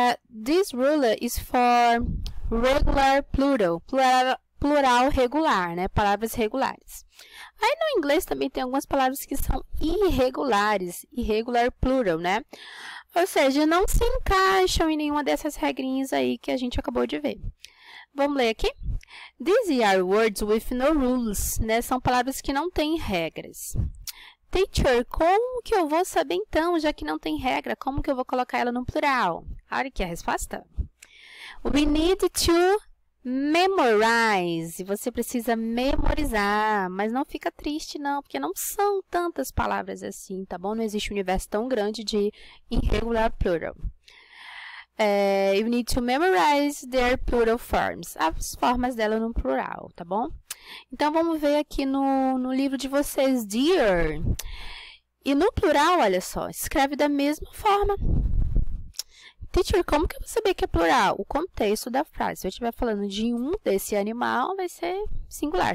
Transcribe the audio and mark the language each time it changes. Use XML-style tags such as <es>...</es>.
<en>This rule is for regular plural,</en> <pt>plural regular,</pt> <en>né?</en> <pt>Palavras regulares. Aí no inglês também tem algumas palavras que são irregulares,</pt> <en>irregular plural,</en> <pt>né? Ou seja, não se encaixam em nenhuma dessas regrinhas aí que a gente acabou de ver. Vamos ler aqui.</pt> <en>These are words with no rules, né?</en> <pt>São palavras que não têm regras. Teacher, como que eu vou saber então, já que não tem regra? Como que eu vou colocar ela no plural? Olha aqui a resposta.</pt> <en>We need to memorize.</en> <pt>Você precisa memorizar, mas não fica triste não, porque não são tantas palavras assim, tá bom? Não existe um universo tão grande de</pt> <en>irregular plural. You need to memorize their plural forms,</en> <pt>as formas dela no plural,</pt> <en>tá bom?</en> <pt>Então, vamos ver aqui no livro de vocês, dear. E no plural, olha só, escreve da mesma forma. Teacher, como que eu vou saber que é plural? O contexto da frase. Se eu estiver falando de um desse animal, vai ser singular.</pt>